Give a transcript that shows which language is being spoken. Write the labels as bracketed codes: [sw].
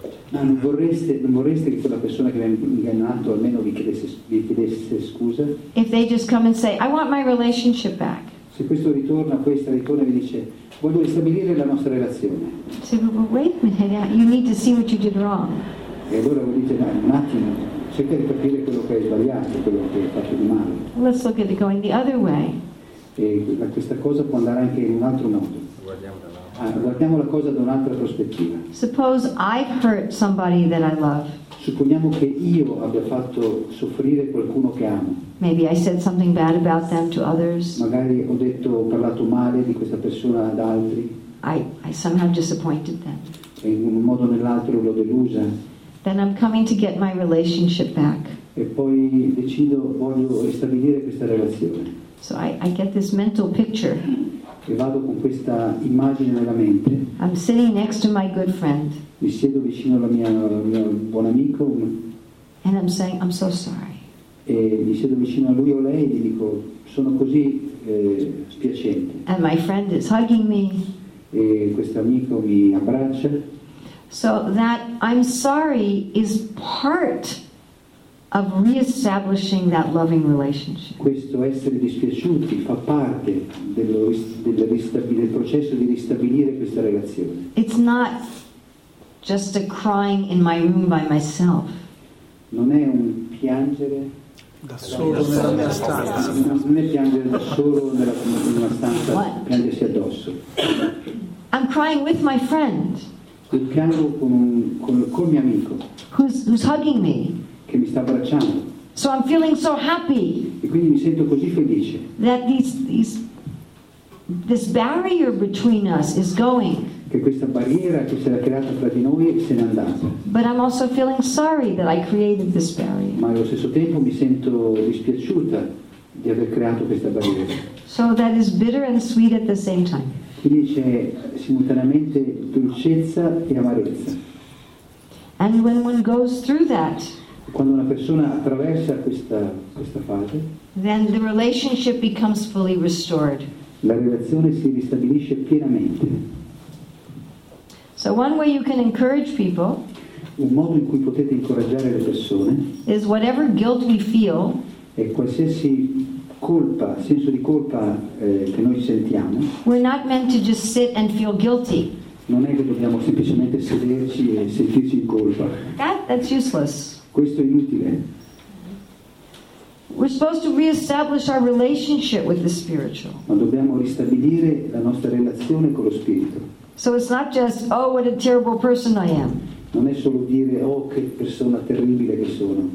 [it] Non vorreste che quella persona che vi ha ingannato almeno vi chiedesse scusa? [en] If they just come and say, I want my relationship back. [it] Se questo ritorna, questa ritorna e vi dice, voglio ristabilire la nostra relazione. [en] Say, but wait a minute, you need to see what you did wrong. [it] E allora voi dite, no, un attimo, cerca di capire quello che hai sbagliato, quello che hai fatto di male. [en] Let's look at it going the other way. [it] E questa cosa può andare anche in un altro modo. Guardiamo la cosa da un'altra prospettiva. [en] Suppose I've hurt somebody that I love. [it] Supponiamo che io abbia fatto soffrire qualcuno che amo. [en] Maybe I said something bad about them to others. [it] Magari ho parlato male di questa persona ad altri. [en] I somehow disappointed them. [it] E in un modo o nell'altro l'ho delusa. [en] Then I'm coming to get my relationship back. [it] E poi decido, voglio ristabilire questa relazione. [en] So I get this mental picture. [it] E vado con questa immagine nella mente. [en] I'm sitting next to my good friend. [it] Mi siedo vicino al mio buon amico. [en] And I'm saying, I'm so sorry. [it] E mi siedo vicino a lui o lei e gli dico, sono così spiacente. [en] And my friend is hugging me. [it] E questo amico mi abbraccia. [en] So that I'm sorry is part of reestablishing that loving relationship. [it] Questo essere dispiaciuti fa parte del processo di ristabilire questa relazione. [en] It's not just a crying in my room by myself. [it] Non è un piangere da solo nella mia stanza. Non è piangere da solo nella mia stanza, piangersi addosso. [en] I'm crying with my friend. [it] Io piango con mio amico. [en] Who's hugging me? [it] Che mi sta abbracciando. [en] So I'm feeling so happy. [it] E quindi mi sento così felice. [en] That this barrier between us is going. [it] Che questa barriera che si era creata tra di noi se n'è andata. [en] But I'm also feeling sorry that I created this barrier. [it] Ma allo stesso tempo mi sento dispiaciuta di aver creato questa barriera. [en] So that is bitter and sweet at the same time. [it] Quindi c'è simultaneamente dolcezza e amarezza. [en] And when one goes through that. [it] Quando una persona attraversa questa fase, [en] then the relationship becomes fully restored. [it] La relazione si ristabilisce pienamente. [en] So one way you can encourage people, [it] un modo in cui potete incoraggiare le persone, [en] is whatever guilt we feel, [it] è qualsiasi colpa, senso di colpa che noi sentiamo. [en] We're not meant to just sit and feel guilty. [it] Non è che dobbiamo semplicemente sederci e sentirci in colpa. [en] That's useless. [it] Questo è inutile. [en] We're supposed to reestablish our relationship with the spiritual. [it] Ma dobbiamo ristabilire la nostra relazione con lo spirito. [en] So it's not just, oh, what a terrible person I am. [it] Non è solo dire, oh, che persona terribile che sono.